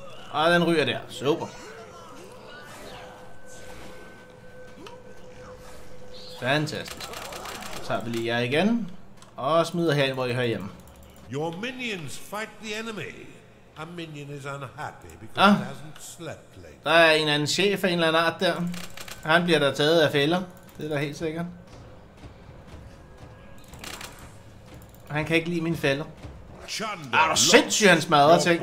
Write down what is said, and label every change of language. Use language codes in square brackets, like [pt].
[da] Og den ryger der. Super. Fantastisk. Så tager vi lige jer igen. Og smider herind, hvor I hører hjemme. [en] Your minions fight the enemy. A minion is unhappy because it hasn't slept lately. [da] Der er en anden chef af en eller anden art der. Han bliver der taget af fælder. Det er der helt sikkert. Han kan ikke lide mine fælder. Er du sindssygt, han smadrer ting.